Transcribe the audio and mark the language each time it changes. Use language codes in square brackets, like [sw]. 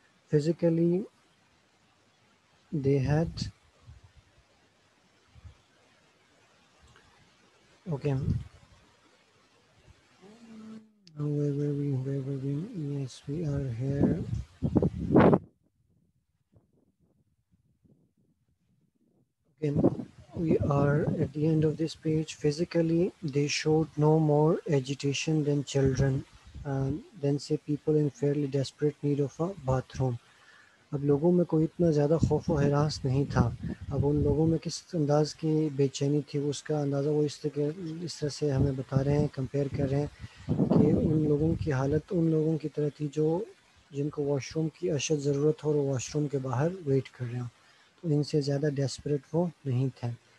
[en] Physically they had, okay, yes we are here. We are at the end of this page. Physically, they showed no more agitation than children, than say people in fairly desperate need of a bathroom. [hi] अब लोगों में कोई इतना ज़्यादा खौफ व harass नहीं था। अब उन लोगों में किस अंदाज़ की बेचैनी थी, उसका अंदाज़ा वो इस तरह से हमें बता रहे हैं, कंपेयर कर रहे हैं कि उन लोगों की हालत उन लोगों की तरह थी जो जिनको वॉशरूम की अशद ज़रूरत हो और वॉशरूम के बाहर वेट कर रहे हैं, तो इनसे ज़्यादा डेस्परेट वो नहीं थे।